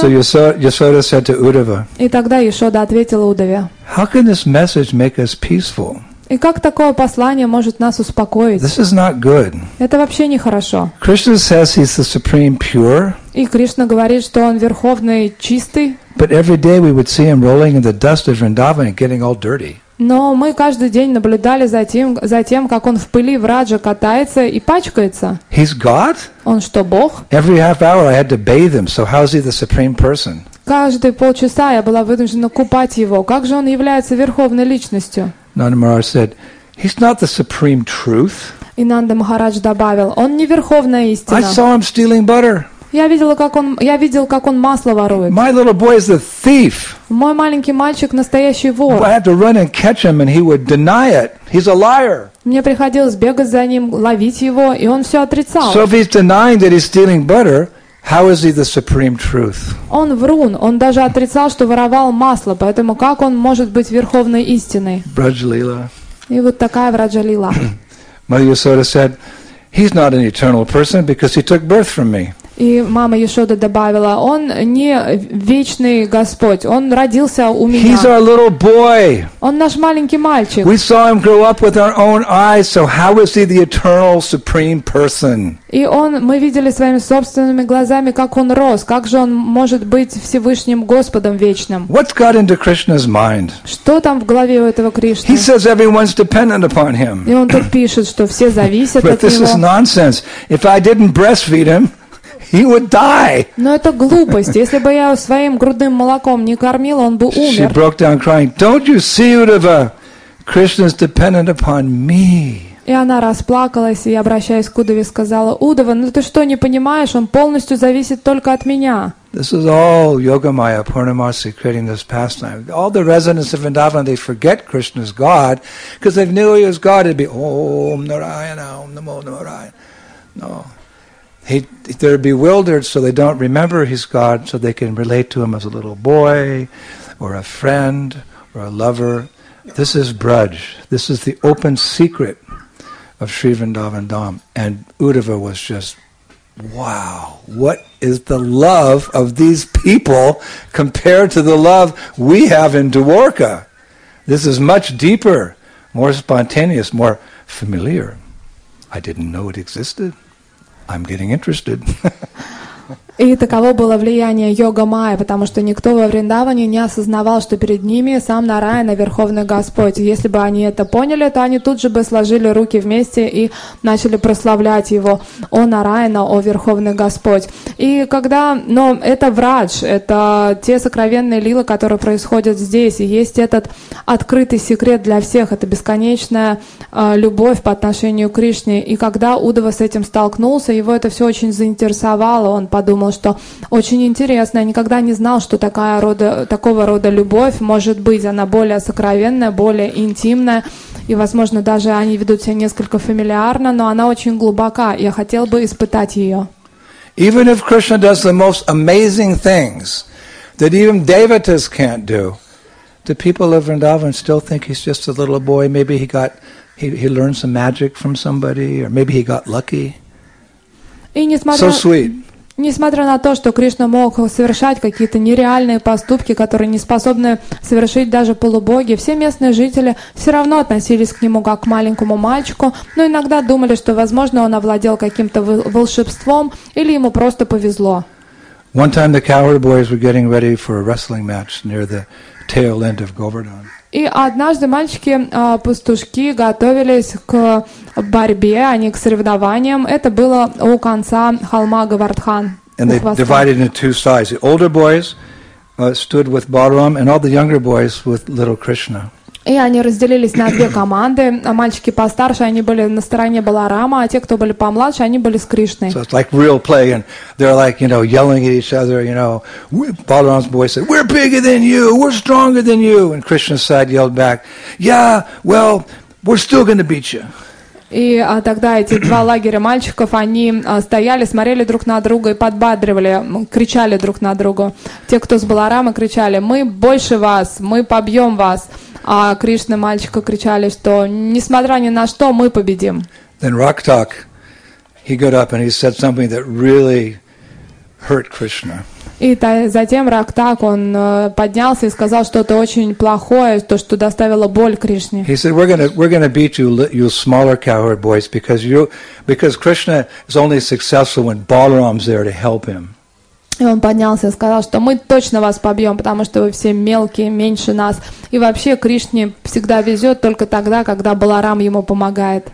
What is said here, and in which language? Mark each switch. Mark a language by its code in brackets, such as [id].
[en] So Yashoda said to Uddhava, [ru] и тогда Яшода ответила Удаве. [en] How can this message make us peaceful? [ru] И как такое послание может нас успокоить? [en] This is not good. [ru] Это вообще нехорошо. [en] Krishna says he's the supreme pure. [ru] И Кришна говорит, что он верховный чистый. [en] But every day we would see him rolling in the dust of Vrindavan and getting all dirty. [ru] Но мы каждый день наблюдали за тем, как он в пыли в Раджа катается и пачкается. [en] He's God? [ru] Он что, Бог? [en] Every half hour I had to bathe him. So how is he the supreme person? [ru] Каждые полчаса я была вынуждена купать его. Как же он является верховной личностью? [en] Nanda Maharaj said, "He's not the supreme truth." [ru] Инанда Махарадж добавил, он не верховная истина. [en] I saw him stealing butter. [ru] Я видел, как он масло ворует. [en] My little boy is a thief. [ru] Мой маленький мальчик настоящий вор. [en] I had to run and catch him, and he would deny it. He's a liar. [ru] Мне приходилось бегать за ним, ловить его, и он все отрицал. [en] So if he's denying that he's stealing butter, how is he the supreme truth? [ru] Он врун. Он даже отрицал, что воровал масло. Поэтому как он может быть верховной истиной? Враджалила. И вот такая Враджалила. [en] Mother Yashoda said, he's not an eternal person because he took birth from me. [ru] И мама Яшода добавила, он не вечный Господь. Он родился у меня. [en] He's our little boy. [ru] Он наш маленький мальчик. [en] We saw him grow up with our own eyes. So how is he the eternal supreme person? [ru] И он, мы видели своими собственными глазами, как он рос. Как же он может быть Всевышним Господом Вечным? [en] What's got into Krishna's mind? [ru] Что там в голове у этого Кришны? [en] He says everyone's dependent upon him. [ru] И он тут пишет, что все зависят от него. [en] But this is nonsense. If I didn't breastfeed him, he would die. [ru] Но это глупость. Если бы я своим грудным молоком не кормила, он бы умер. [en] She broke down crying. Don't you see, Uddhava? Krishna's dependent upon me. [ru] И она расплакалась, и, обращаясь к Удаве, сказала, «Удава, ну ты что, не понимаешь? Он полностью зависит только от меня». [en] This is all Yogamaya, Purnamasi creating this pastime. All the residents of Vrindavan, they forget Krishna is God, because they knew he was God, it'd be, Om Narayana, Om Namo Narayana. No. They're bewildered, so they don't remember he's God, so they can relate to him as a little boy, or a friend, or a lover. This is Braj. This is the open secret of Sri Vrindavan Dham. And Uddhava was just, wow, what is the love of these people compared to the love we have in Dwarka? This is much deeper, more spontaneous, more familiar. I didn't know it existed. I'm getting interested. [ru] И таково было влияние йога майя, потому что никто во Вриндаване не осознавал, что перед ними сам Нараяна, Верховный Господь. Если бы они это поняли, то они тут же бы сложили руки вместе и начали прославлять его. О Нараяна, о Верховный Господь. И когда... Но это врач, это те сокровенные лилы, которые происходят здесь. И есть этот открытый секрет для всех. Это бесконечная любовь по отношению к Кришне. И когда Удава с этим столкнулся, его это все очень заинтересовало. Он подумал, что очень интересно, я никогда не знал, что такого рода любовь может быть, она более сокровенная, более интимная, и, возможно, даже они ведут себя несколько фамильярно, но она очень глубока, я хотел бы испытать ее. [en] Even if Krishna does the most amazing things that even devatas can't do, the people of Vrindavan still think he's just a little boy, maybe he learned some magic from somebody, or maybe he got lucky. So sweet. [ru] Несмотря на то, что Кришна мог совершать какие-то нереальные поступки, которые не способны совершить даже полубоги, все местные жители все равно относились к нему как к маленькому мальчику, но иногда думали, что, возможно, он овладел каким-то волшебством или ему просто повезло. [en] One time the cowherd boys were getting ready for a wrestling match near the tail end of Govardhan. [ru] И однажды мальчики-пастушки готовились к борьбе, а не к соревнованиям. Это было у конца холма Говардхан. [en] And they divided into two sides. The older boys stood with Balaram, and all the younger boys with little Krishna. [ru] И они разделились на две команды. Мальчики постарше, они были на стороне Баларама, а те, кто были помладше, они были с Кришной. [en] So it's like real play, and they're like, you know, yelling at each other, you know. Balaram's boy said, "We're bigger than you, we're stronger than you." And Krishna's side yelled back, "Yeah, well, we're still going to beat you." [ru] И тогда эти два лагеря мальчиков, они стояли, смотрели друг на друга и подбадривали, кричали друг на друга. Те, кто с Баларама, кричали, «Мы больше вас, мы побьем вас». А Кришна мальчика кричали, что несмотря ни на что, мы победим. [en] Then Raktak, he got up and he said something that really hurt Krishna. [ru] И затем Рактак, он поднялся и сказал что-то очень плохое, то, что доставило боль Кришне. [en] He said, we're gonna beat you, you smaller cowherd boys, because Krishna is only successful when Balaram's there to help him. [ru] И он поднялся и сказал, что мы точно вас побьем, потому что вы все мелкие, меньше нас. И вообще Кришне всегда везет только тогда, когда Баларам ему помогает.